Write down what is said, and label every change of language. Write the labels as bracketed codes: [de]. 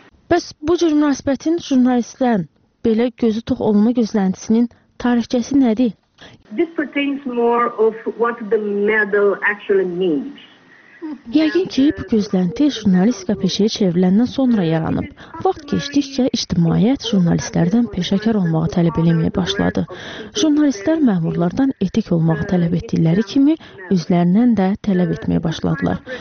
[az] Bəs bu cür münasibətin jurnalistlərin belə gözü tox olma gözləntisinin tarixçəsi nədir? [en] This pertains more of what the medal actually means. [az] Yəqin ki, bu gözlənti jurnalistika peşəyə çevriləndən sonra yaranıb. Vaxt keçdikcə, ictimaiyyət jurnalistlərdən peşəkar olmağı tələb eləməyə başladı. Jurnalistlər məmurlardan etik olmağı tələb etdikləri kimi, özlərindən də tələb etməyə başladılar.